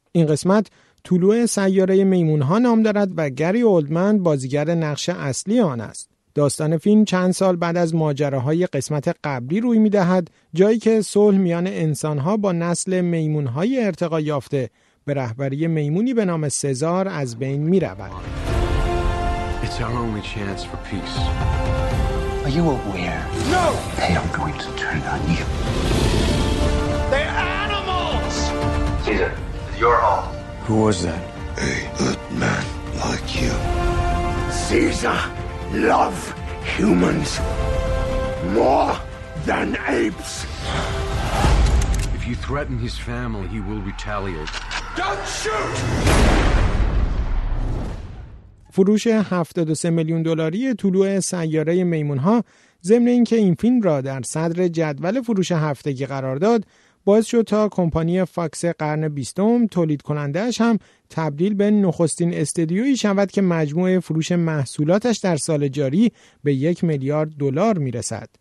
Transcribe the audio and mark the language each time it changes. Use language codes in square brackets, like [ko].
[fa] این قسمت طلوع سیاره میمون‌ها نام دارد و گری اولدمن بازیگر نقش اصلی آن است. داستان فیلم چند سال بعد از ماجراهای قسمت قبلی روی می‌دهد، جایی که صلح میان انسان‌ها با نسل میمون‌های ارتقا یافته به رهبری میمونی به نام سزار از بین می‌رود. [en] It's our only chance for peace. Are you aware? No. They are going to turn on you. They are animals. Caesar, you're all. Who was that? A good man like you. Caesar. Love humans more than apes. If you threaten his family, he will retaliate. Don't shoot! [fa] فروش 73 میلیون دلاری طلوع سیاره میمون‌ها، ضمن اینکه این فیلم را در صدر جدول فروش هفتگی قرار داد، باعث شد تا کمپانی فاکس قرن 20 تولید کنندهش هم تبدیل به نخستین استدیویی شود که مجموع فروش محصولاتش در سال جاری به 1 میلیارد دلار میرسد.